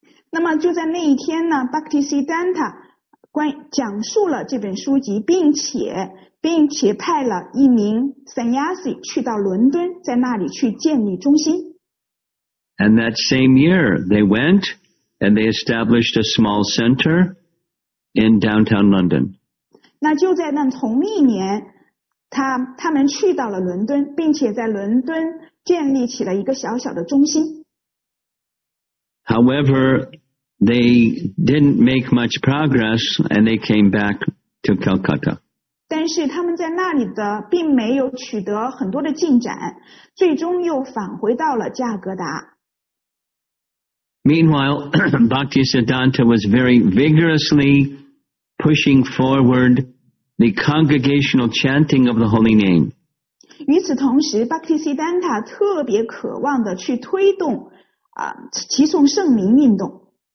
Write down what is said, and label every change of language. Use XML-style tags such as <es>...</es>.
<zh>那么就在那一天呢 ,Bhaktisiddhanta 讲述了这本书籍并且派了一名 sannyasi 去到伦敦在那里去建立中心。</zh> <en>And that same year, they went and they established a small center in downtown London.</en> <zh>那就在那同一年他们去到了伦敦并且在伦敦建立起了一个小小的中心。</zh> <en>However, they didn't make much progress and they came back to Calcutta.</en> <zh>但是他们在那里的并没有取得很多的进展，最终又返回到了加格达。</zh> <en>Meanwhile, Bhaktisiddhanta was very vigorously pushing forward the congregational chanting of the holy name.</en> <zh>与此同时 ,Bhaktisiddhanta 特别渴望地去推动齐颂圣名运动。</zh>